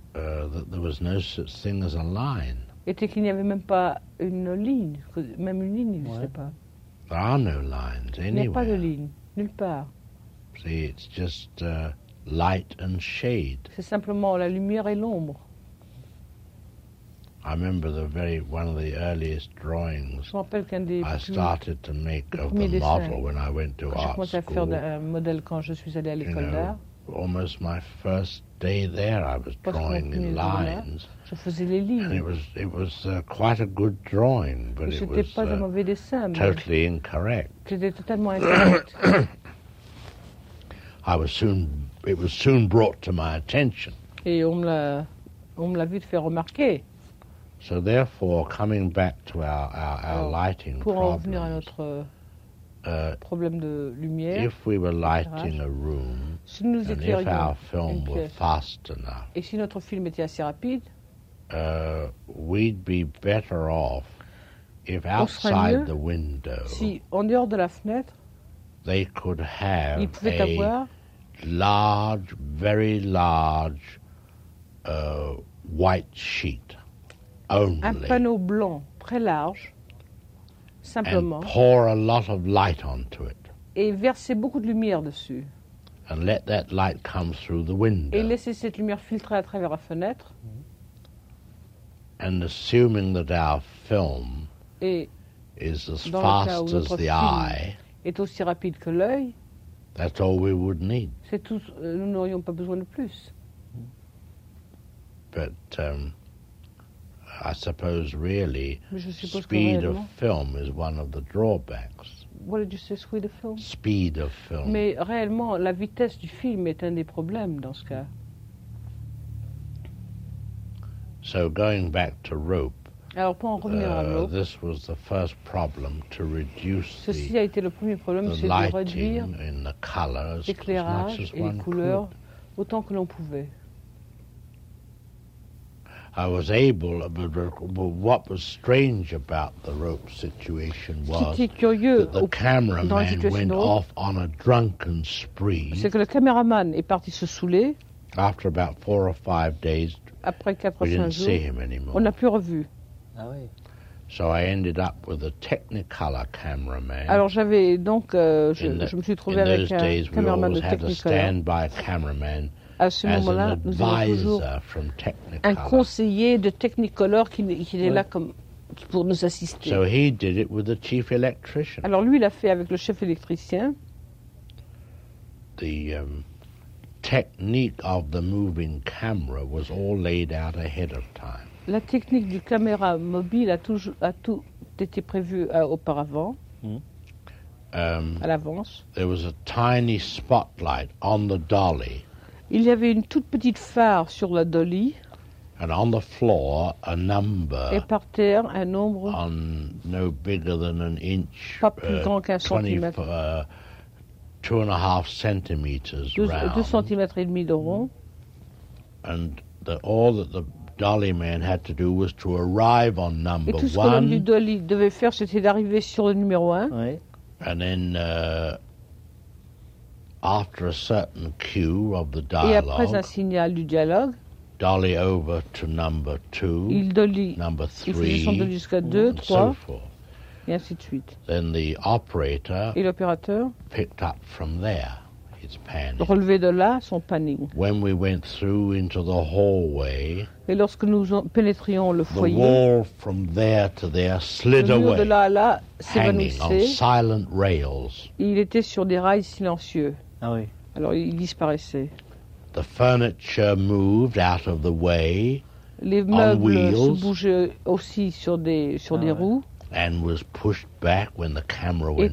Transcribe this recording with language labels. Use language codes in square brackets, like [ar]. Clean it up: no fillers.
[en] that there was no such thing as a line. [fr] Était qu'il n'y avait même pas une ligne, même une ligne, n'existait ouais. pas. [en] There are no lines anywhere. [fr] Il n'y a pas de ligne, nulle part. [en] See, it's just light and shade. [fr] C'est simplement la lumière et l'ombre. [en] I remember one of the earliest drawings I started to make of the model when I went to art school. [fr] Je commençais à faire un modèle quand je suis allé à l'école d'art. [en] Almost my first day there, I was drawing in lines. [fr] Je faisais les lignes. [en] And it was quite a good drawing, but it was totally incorrect. [fr] C'était totalement incorrect. [en] It was soon brought to my attention. [fr] Et on me l'a vite fait remarquer. [en] So therefore, coming back to our lighting problem, if we were lighting a room, [fr] si nous [en] and if our film were fast enough, [fr] et si notre film était assez rapide, [en] we'd be better off if outside the window, [fr] si en dehors de la fenêtre, [en] they could have [fr] ils pouvaient [en] a [fr] avoir [en] large, very large white sheet. Only. [fr] Un panneau blanc très large, simplement. [en] And pour a lot of light onto it. [fr] Et verser beaucoup de lumière dessus. [en] And let that light come through the window. [fr] Et laisser cette lumière filtrer à travers la fenêtre. [en] And assuming that our film is as fast as the eye. [fr] Est aussi rapide que l'œil. [en] That's all we would need. [fr] C'est tout. Nous n'aurions pas besoin de plus. [en] But I suppose, really, speed of film is one of the drawbacks. What did you say, speed of film? Speed of film. [fr] Mais réellement, la vitesse du film est un des problèmes dans ce cas. [en] So going back to rope. [fr] Alors pour en revenir à rope. [en] This was the first problem to reduce [fr] ceci a été le premier problème, [en] the lighting [fr] de réduire [en] in the colors as much as one [fr] couleurs, [en] could. [fr] Autant que l'on pouvait. [en] I was able, but what was strange about the rope situation was that the cameraman went off on a drunken spree. [fr] C'est que le caméraman est parti se saouler. [en] After about 4 or 5 days, [fr] après 4 [en] we didn't [fr] jours, [en] see him anymore. [fr] On n'a plus revu. Ah oui. [en] So I ended up with a Technicolor cameraman. [fr] Alors j'avais donc je me suis trouvé avec un cameraman de Technicolor. [en] A standby cameraman. [fr] À ce moment-là, nous avons toujours un conseiller de Technicolor qui est là comme pour nous assister. [en] So he did it with the chief electrician. [fr] Alors lui, il a fait avec le chef électricien. [en] The technique of the moving camera was all laid out ahead of time. [fr] La technique du caméra mobile a tout été prévu auparavant, à l'avance. [en] There was a tiny spotlight on the dolly. [fr] Il y avait une toute petite phare sur la dolly. [en] And on the floor, a number. [fr] Et par terre, un nombre. [en] On no bigger than an inch. [fr] Pas plus grand qu'un centimètre. [en] 2.5 centimeters round. [fr] 2.5 centimètres de rond. [en] And all that the dolly man had to do was to arrive on number one. [fr] Et tout ce que l'homme du dolly devait faire, c'était d'arriver sur le numéro un. Oui. [en] And then, after a certain cue of the dialogue, [fr] et après un signal du dialogue, [en] dolly over to number two, [fr] il dolly, [en] number three, [fr] il faisait son dolly jusqu'à deux, [en] and [fr] trois, [en] so forth. [fr] Et ainsi de suite. [en] Then the operator, [fr] et l'opérateur, [en] picked up from there. [fr] Relevé de là son panning. [en] When we went through into the hallway, [fr] et lorsque nous pénétrions le foyer, [en] the wall from there to there slid away, [fr] de là à là s'évanouissait, [en] hanging on silent rails. [fr] Il était sur des rails silencieux. Ah oui. Alors il disparaissait. [en] The furniture moved out of the way. [fr] Les meubles [en] on wheels, [fr] se bougeaient aussi sur des roues. [en] And was pushed back when the camera went by.